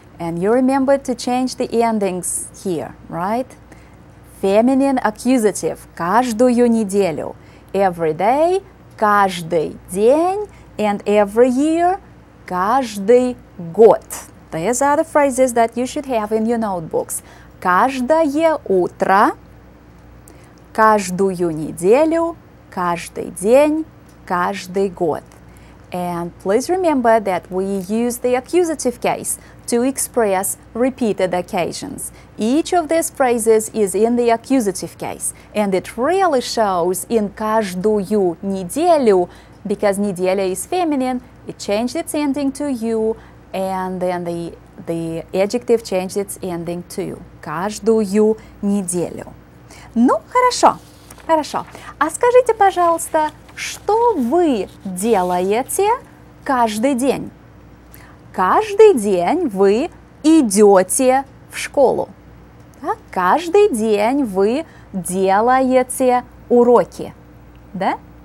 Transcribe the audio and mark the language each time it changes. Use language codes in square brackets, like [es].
[en] And you remember to change the endings here, right? Feminine accusative, [ru] каждую неделю. [en] Every day, [ru] каждый день. [en] And every year, [ru] каждый год. [en] These are the phrases that you should have in your notebooks. [ru] Каждое утро, каждую неделю, каждый день, каждый год. [en] And please remember that we use the accusative case to express repeated occasions. Each of these phrases is in the accusative case, and it really shows in [ru] каждую неделю, [en] because неделя is feminine, it changed its ending to you, and then the adjective changed its ending to you. [ru] Каждую неделю. Ну, хорошо, хорошо. А скажите, пожалуйста, что вы делаете каждый день? Каждый день вы идете в школу. Да? Каждый день вы делаете уроки. Да?